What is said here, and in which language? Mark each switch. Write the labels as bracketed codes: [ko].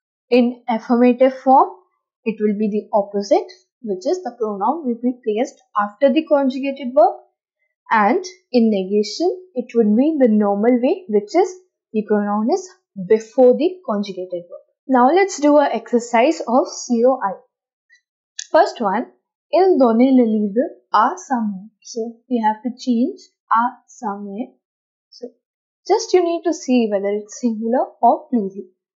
[en] In affirmative form, it will be the opposite, which is the pronoun will be placed after the conjugated verb. And in negation, it would mean the normal way, which is the pronoun is before the conjugated verb. Now let's do an exercise of COI. First one, [fr] il donne le livre à sa mère. [en] So we have to change [fr] à sa mère. [en] So just you need to see whether it's singular or plural.